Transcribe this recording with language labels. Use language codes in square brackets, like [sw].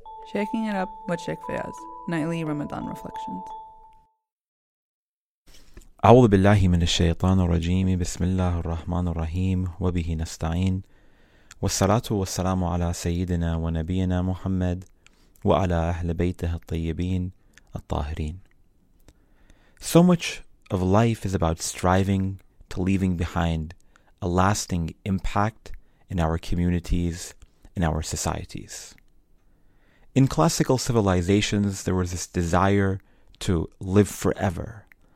[en] Shaking It Up with Sheikh Faiyaz, Nightly Ramadan Reflections. [ar] أعوذ بالله من الشيطان الرجيم بسم الله الرحمن الرحيم وبه نستعين والصلاة والسلام على سيدنا ونبينا محمد وعلى أهل بيته الطيبين الطاهرين. [en] So much of life is about striving to leaving behind a lasting impact in our communities, in our societies. In classical civilizations, there was this desire to live forever.